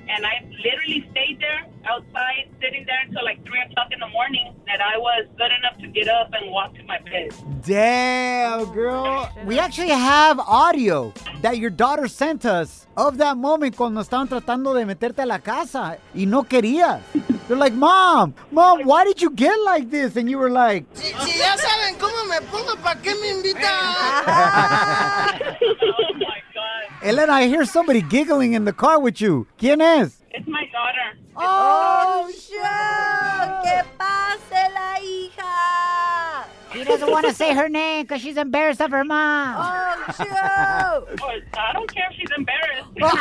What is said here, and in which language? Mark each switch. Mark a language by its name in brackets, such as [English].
[English] And I literally stayed there outside, sitting there until like 3 o'clock in the morning, that I was good enough to get up and walk to my bed. Damn, girl. We actually have audio that your daughter sent us of that moment [Spanish] cuando estaban tratando de meterte a la casa y no querías. [English] They're like, Mom, why did you get like this? And you were like, [Spanish] si ya saben cómo me pongo, ¿pa qué me invitan? [English] Oh, my God. Elena, I hear somebody giggling in the car with you. [Spanish] ¿Quién es? [English] It's my daughter. [Spanish] Que pase la hija. [English] He doesn't want to say her name because she's embarrassed of her mom. Oh, I don't care if she's embarrassed.